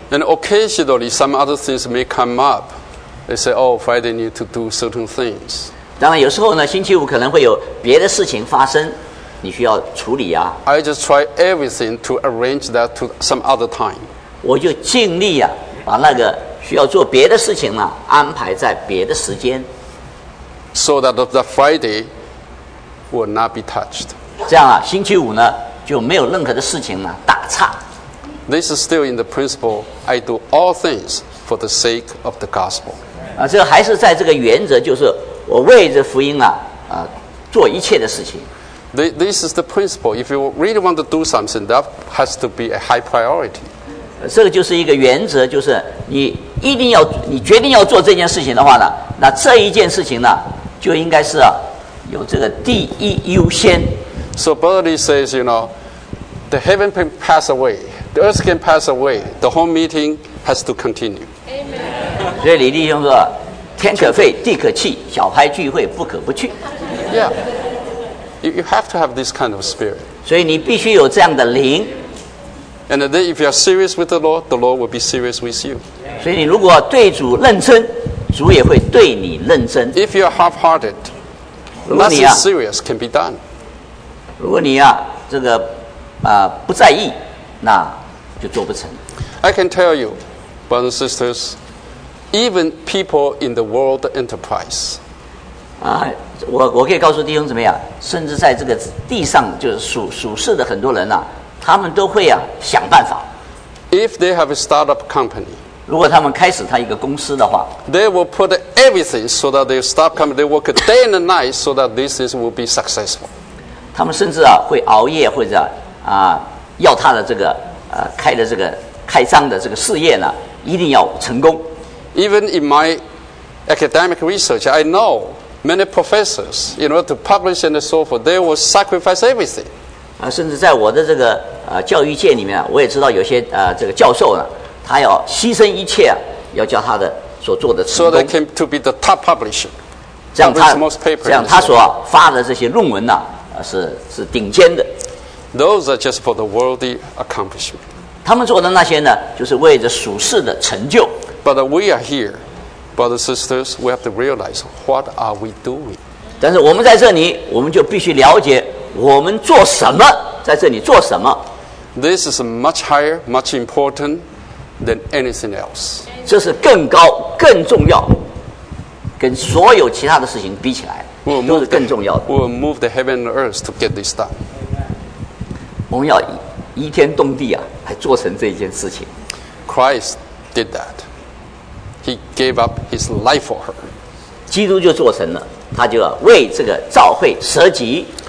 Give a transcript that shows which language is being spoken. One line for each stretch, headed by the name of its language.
English: And occasionally some other things may come up. They say, "Oh, Friday need to do certain things."
Chinese: 当然，有时候呢，星期五可能会有别的事情发生，你需要处理啊。
English: I just try everything to arrange that to some other time.
Chinese: 我就尽力啊，把那个需要做别的事情呢，安排在别的时间。
English: So that the Friday will not be touched.
Chinese: 这样啊，星期五呢就没有任何的事情呢打岔。
English: This is still in the principle, I do all things for the sake of the gospel.
Chinese: 啊，这还是在这个原则，就是我为着福音啊，啊，做一切的事情。
English: This is the principle. If you really want to do something, that has to be a high priority.
Chinese: 这个就是一个原则，就是你一定要，你决定要做这件事情的话呢，那这一件事情呢，就应该是啊，有这个第一优先。
English: So Burley says, you know, the heaven can pass away, the earth can pass away, the home meeting has to continue. Amen.
Chinese: 所以李弟兄说，天可废，地可弃，小孩聚会不可不去。
English: Yeah. You have to have this kind of spirit.
Chinese: 所以你必须有这样的灵。
English: And then if you are serious with the Lord will be serious with you.
Chinese: 所以你如果对主认真，主也会对你认真。
English: If you are half-hearted, nothing serious can be done.
Chinese: 如果你啊，这个啊，不在意，那就做不成。
English: I can tell you, brothers and sisters, even people in the world enterprise.
Chinese: 啊，我可以告诉弟兄怎么样，甚至在这个地上就是属世的很多人啊，他们都会啊想办法。
English: If they have a startup company,
Chinese: 如果他们开始他一个公司的话
English: ，they will put everything so that their startup company they work day and night so that this is will be successful.
Chinese: 他们甚至啊会熬夜或者啊要他的这个开的这个开张的这个事业呢一定要成功。
English: Even in my academic research, I know. Many professors, in order to publish and so forth, they will sacrifice everything.
Chinese: 啊，甚至在我的这个教育界里面，我也知道有些这个教授呢，他要牺牲一切，要叫他的所做的成功。
English: So they came to be the top publisher.
Chinese: 这样他所发的这些论文呢，是顶尖的。
English: Those are just for the worldly accomplishment.
Chinese: 他们做的那些呢，就是为着属世的成就。
English: But we are here. Brothers and sisters, we have to realize what are we doing.
Chinese: 但是我们在这里，我们就必须了解我们做什么，在这里做什么。
English: This is much higher, much important than anything else.
Chinese: 这是更高、更重要，跟所有其他的事情比起来，都是更重要的。
English: We'll move the heaven and earth to get this done.
Chinese: 我们要一天动地啊，来做成这件事情。
English: Christ did that. He gave up his life for her.
Chinese: 基督就做成了，他就要为这个召会舍己。